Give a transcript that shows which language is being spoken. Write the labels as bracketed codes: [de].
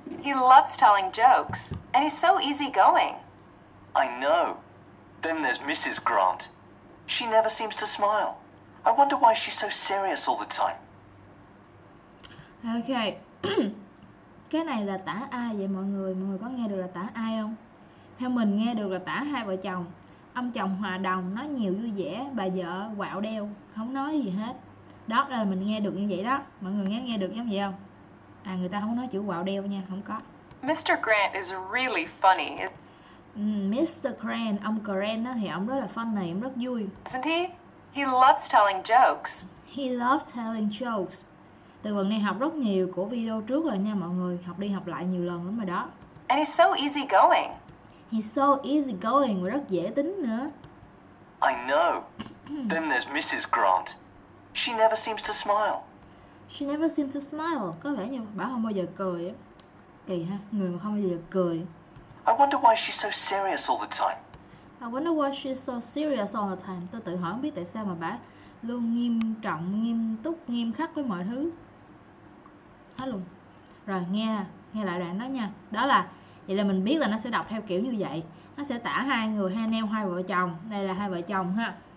[en] He loves telling jokes, and he's so easygoing. I know. Then there's Mrs. Grant. She never seems to smile. I wonder why she's so serious all the time. Okay. [vi] Cái này là tả ai vậy mọi người? Mọi người có nghe được là tả ai không? Theo mình nghe được là tả hai vợ chồng. Ông chồng hòa đồng, nói nhiều vui vẻ, bà vợ quạo đeo, không nói gì hết. Đó là mình nghe được như vậy đó. Mọi người nghe được giống vậy không? À, người ta không nói chữ quạo đeo nha, không có. [en] Mr. Grant is really funny. Mr. [vi] Grant, ông Grant đó, thì ông rất là funny, ông rất vui. [en] Isn't he? He loves telling jokes. He loves telling jokes. [vi] Từ vựng này học rất nhiều của video trước rồi nha mọi người. Học đi học lại nhiều lần lắm rồi đó. [en] And he's so easygoing. He's so easygoing, [vi] rất dễ tính nữa. [en] I know. Then there's Mrs. Grant. She never seems to smile. She never seems to smile. [vi] Có vẻ như bà không bao giờ cười. Kỳ ha, người mà không bao giờ cười. [en] I wonder why she's so serious all the time. I wonder why she's so serious all the time. [vi] Tôi tự hỏi không biết tại sao mà bà luôn nghiêm trọng, nghiêm túc, nghiêm khắc với mọi thứ. Hết luôn. Rồi nghe lại đoạn đó nha. Đó là, vậy là mình biết là nó sẽ đọc theo kiểu như vậy. Nó sẽ tả hai người, hai anh em, hai vợ chồng. Đây là hai vợ chồng ha.